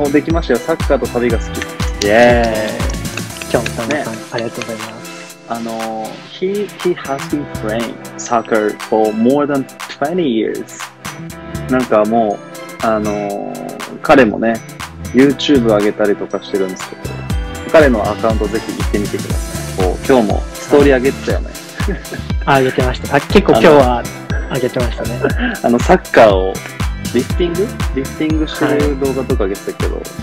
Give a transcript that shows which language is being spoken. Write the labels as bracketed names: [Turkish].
[Japanese] おできましたよ。サッカーと旅が好き。イエーイ。キョンさん、ね、ありがとうございます。 [English] He has been playing soccer for more than 20 years. [Japanese] なんかもう、彼もね、YouTube 上げたりとかしてるんですけど、彼のアカウントぜひ行ってみてください。こう今日もストーリー上げてたよね。あげてました。結構今日はあげてましたね。サッカーをリフティングしてる動画とかあげてたけど、